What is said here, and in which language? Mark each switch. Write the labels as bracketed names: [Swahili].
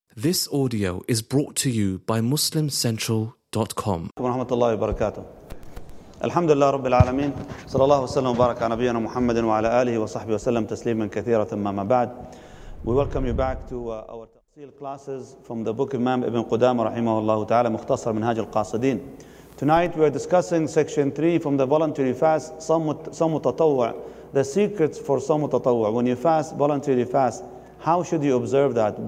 [English] This audio is brought to you by MuslimCentral.com. [Arabic] ورحمه الله وبركاته. الحمد لله رب العالمين، صلى الله وسلم وبارك على نبينا محمد وعلى اله وصحبه وسلم تسليما كثيرا. ثم بعد، [English] we welcome you back to our تفصيل classes from the book Imam Ibn Qudamah [Arabic] رحمه الله تعالى، [English] مختصر منهاج القاصدين. Tonight we are discussing section 3 from the voluntary fast, صوم التطوع. The secrets for صوم التطوع. When you fast, voluntary fast, how should you observe that?